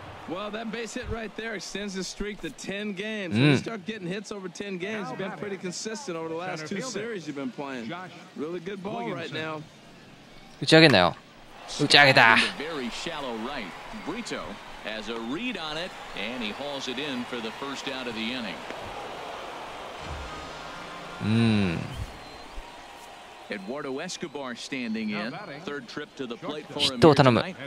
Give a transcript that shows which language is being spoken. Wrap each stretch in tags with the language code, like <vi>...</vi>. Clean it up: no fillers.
<en>Well, that base hit right there extends the streak to 10 games. You start getting hits over 10 games. You've been pretty consistent over the last two series you've been playing. Really good ball right now.</en> <ja>打ち上げんなよ。打ち上げた。</ja> <en>Very shallow right. Brito has a read on it, and he hauls it in for the first out of the inning. Eduardo Escobar standing in. Third trip to the plate for him tonight.</en>